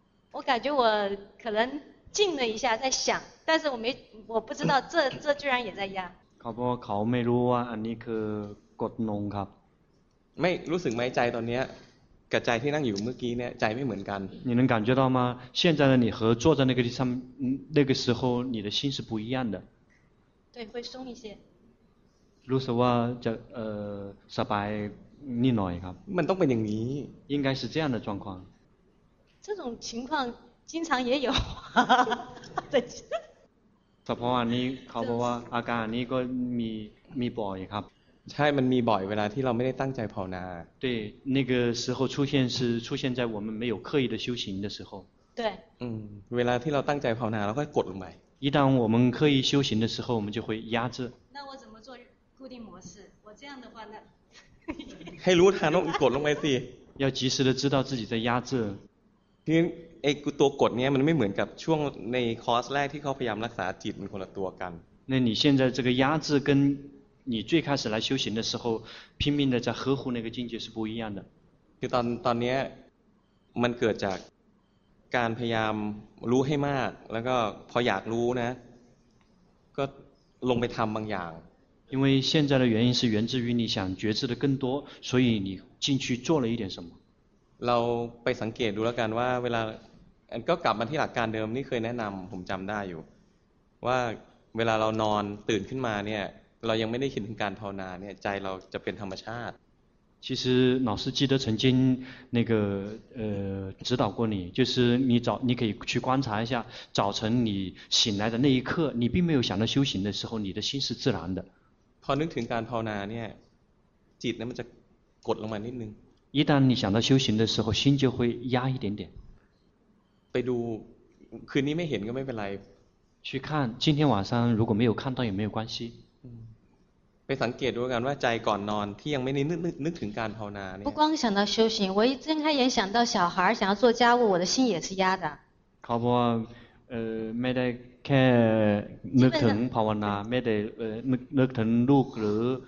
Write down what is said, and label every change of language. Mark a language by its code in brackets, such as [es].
[zh] 我感觉我可能静了一下在想但是我不知道这居然也在压 [th] เขาไม่รู้ว่าอันนี้คือกดลงครับ ไม่รู้สึกไหมใจตอนนี้กับใจที่นั่งอยู่เมื่อกี้เนี่ยใจไม่เหมือนกัน [zh] 你能感觉到吗现在的你和坐在那个地上那个时候你的心是不一样的对会松一些 [th] รู้สึกว่าจะสบายนิดหน่อยครับ มันต้องเป็นอย่างนี้ [zh] 应该是这样的状况这种情况经常也有 [th] เฉพาะอันนี้เขาบอกว่าอาการนี้ก็มีบ่อยครับ ใช่มันมีบ่อยเวลาที่เราไม่ได้ตั้งใจภาวนา [zh] 对那个时候出现在我们没有刻意的修行的时候对 [th] เวลาที่เราตั้งใจภาวนาเราก็กดลงไป [zh] 一旦我们刻意修行的时候我们就会压制那我怎么做固定模式我这样的话呢 [th] ให้รู้ทันต้องกดลงไปสิ [zh] 要及时的知道自己在压制 [th] คือไอ้ตัวกดเนี้ยมันไม่เหมือนกับช่วงในคอร์สแรกที่เขาพยายามรักษาจิตมันคนละตัวกัน [zh] 那你现在这个压制跟你最开始来修行的时候拼命的在呵护那个境界是不一样的 [th] คือตอนเนี้ยมันเกิดจากการพยายามรู้ให้มากแล้วก็พออยากรู้นะก็ลงไปทำบางอย่าง [zh] 因为现在的原因是源自于你想觉知的更多所以你进去做了一点什么 [th] เราไปสังเกตดูแล้วกันว่าเวลาก็กลับมาที่หลักการเดิมนี่เคยแนะนำผมจำได้อยู่ว่าเวลาเรานอนตื่นขึ้นมาเนี่ยเรายังไม่ได้คิดถึงการภาวนาเนี่ยใจเราจะเป็นธรรมชาติ [zh] 其实老师记得曾经那个指导过你就是你早你可以去观察一下早晨你醒来的那一刻你并没有想到修行的时候你的心是自然的 [th] พอนึกถึงการภาวนาเนี่ยจิตนั้นมันจะกดลงมานิดนึง [zh] 一旦你想到修行的时候心就会压一点点 [th] ไปดูคืนนี้ไม่เห็นก็ไม่เป็นไร [zh] 去看今天晚上如果没有看到也没有关系 [th] ไปสังเกตดูกันว่าใจก่อนนอนที่ยังไม่ได้นึกถึงการภาวนาเนี่ย [zh] 不光想到修行我一睁开眼想到小孩想要做家务我的心也是压的 [th] เขาบอกว่าไม่ได้แค่นึกถึงภาวนาไม่ได้นึกถึงลูกหรือ